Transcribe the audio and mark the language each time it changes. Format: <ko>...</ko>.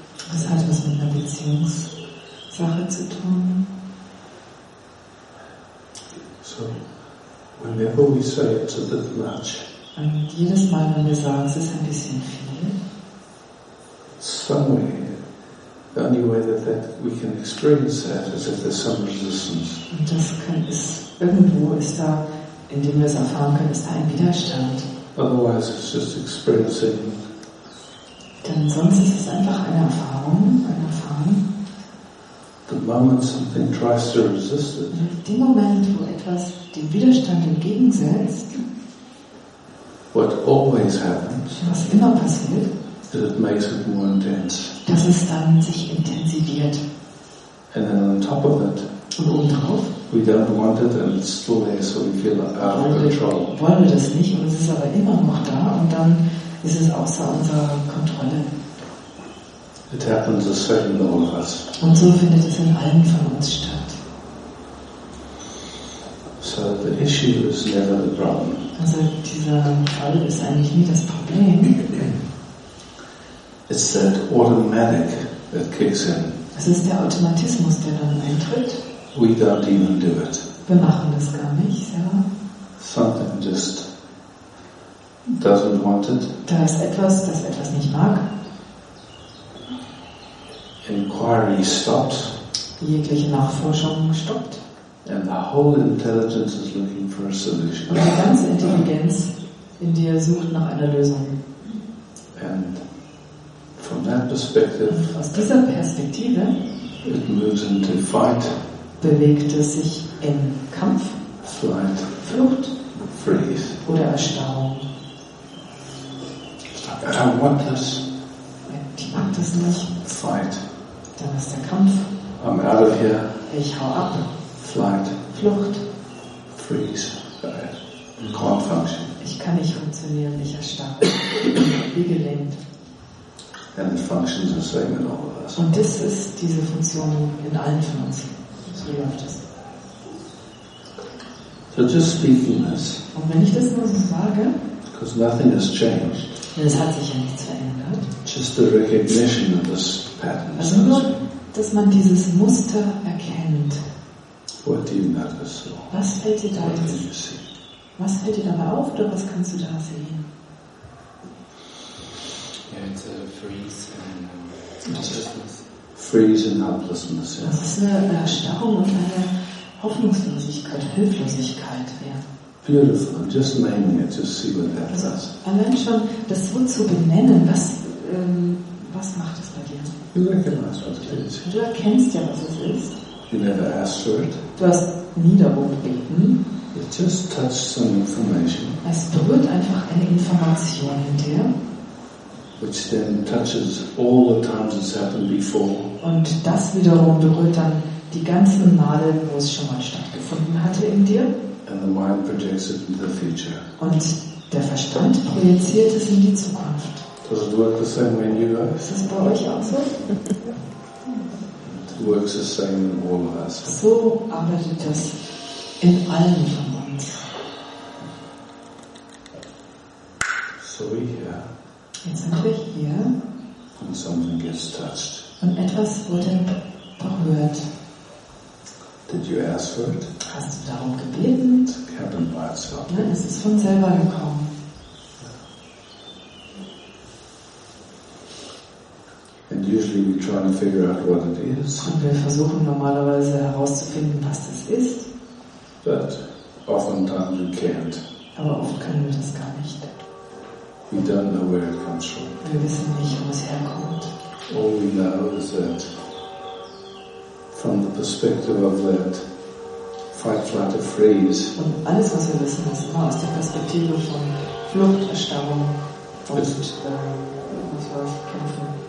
<de>Das hat was mit einer Beziehungssache zu tun.</de> <en>So, whenever we say it's a bit much.</en> <de>Und jedes Mal, wenn wir sagen, es ist ein bisschen viel.</de> <en>Somewhere, the only way that we can experience that is if there's some resistance.</en> <de>Und das kann es irgendwo ist da, indem wir es erfahren können, ist da ein Widerstand.</de> <en>Otherwise, it's just experiencing.</en> <de>Denn sonst ist es einfach eine Erfahrung, ein Erfahren.</de> <en>The moment something tries to resist it.</en> <de>In dem Moment, wo etwas dem Widerstand entgegensetzt,</de> <en>what always happens,</en> <de>was immer passiert,</de> <en>that it makes it more intense.</en> <de>Dass es dann sich intensiviert.</de> <en>And then on top of it,</en> <de>und obendrauf,</de> <en>we don't want it and it's still there, so we feel out of control.</en> <de>Wollen wir das nicht und es ist aber immer noch da und dann ist es außer unserer Kontrolle.</de> <en>It happens the same in all of us.</en> <de>Und so findet es in allen von uns statt.</de> <en>So the issue is never the problem.</en> <de>Also dieser Fall ist eigentlich nie das Problem.</de> <en>It's that automatic that kicks in.</en> <de>Es ist der Automatismus, der dann eintritt.</de> <en>We don't even do it.</en> <de>Wir machen das gar nicht, ja.</de> <en>Something just doesn't want it.</en> <de>Da ist etwas, das etwas nicht mag.</de> <en>Inquiry stops.</en> <de>Jegliche Nachforschung stoppt.</de> <en>And the whole intelligence is looking for a solution.</en> <de>Und die ganze Intelligenz in dir sucht nach einer Lösung.</de> <en>And from that perspective,</en> <de>und aus dieser Perspektive,</de> <en>it moves into fight,</en> <de>bewegt es sich in Kampf,</de> <en>flight,</en> <de>Flucht,</de> <en>freeze,</en> <de>oder Erstarrung. Ich mag das nicht.</de> <en>Fight.</en> <de>Dann ist der Kampf.</de> <en>I'm out of here.</en> <de>Ich hau ab.</de> <en>Flight.</en> <de>Flucht.</de> <en>Freeze. Can't function.</en> <de>Ich kann nicht funktionieren, ich erstarre. Wie gelähmt.</de> <en>And the function is the same in all of us.</en> <de>Und das ist diese Funktion in allen von uns. So läuft es.</de> <en>So just speaking this.</en> <de>Und wenn ich das nur so sage,</de> <en>because nothing has changed.</en> <de>Denn es hat sich ja nichts verändert.</de> <en>Just the recognition of this pattern.</en> <de>Also nur, dass man dieses Muster erkennt.</de> <en>What do you notice? So?</en> <de>Was fällt dir da jetzt? Was fällt dir dabei auf oder was kannst du da sehen?</de> <en>Freeze and helplessness. Freeze and helplessness,</en> <de>yeah. Das ist eine Erstarrung und eine Hoffnungslosigkeit, Hilflosigkeit, ja.</de> <en>Beautiful. Just naming it, just see what that does.</en> <de>Allein schon das so zu benennen, was, was macht es bei dir?</de> <en>You recognize what it is.</en> <de>Du erkennst ja, was es ist.</de> <en>You never asked for it.</en> <de>Du hast nie darum gebeten.</de> <en>It just touched some information.</en> <de>Es berührt einfach eine Information in dir.</de> <en>Which then touches all the times it's happened before.</en> <de>Und das wiederum berührt dann die ganzen Male, wo es schon mal stattgefunden hatte in dir.</de> <en>And the mind projects it in the future.</en> <de>Und der Verstand projiziert es in die Zukunft.</de> <en>Does it work the same way in you guys?</en> <de>Ist das bei euch auch so?</de> <en>It works the same in all of us.</en> <de>So arbeitet das in allen von uns.</de> <en>So, yeah.</en> <de>Jetzt sind wir hier.</de> <en>And something gets touched.</en> <de>Und etwas wurde berührt.</de> <en>Did you ask for it?</en> <de>Hast du darum gebeten?</de> <en>It happened by itself.</en> <de>Nein, es ist von selber gekommen.</de> <en>And usually we try to figure out what it is.</en> <de>Und wir versuchen normalerweise herauszufinden, was das ist.</de> <en>But oftentimes we can't.</en> <de>Aber oft können wir das gar nicht.</de> <en>We don't know where it comes from.</en> <de>Wir wissen nicht, wo es herkommt.</de> <en>All we know is that from the perspective of that fight, flight, or freeze.</en> <de>Und alles, was wir wissen, ist immer aus der Perspektive von Flucht, Erstarrung und was weiß ich, Kämpfen.</de>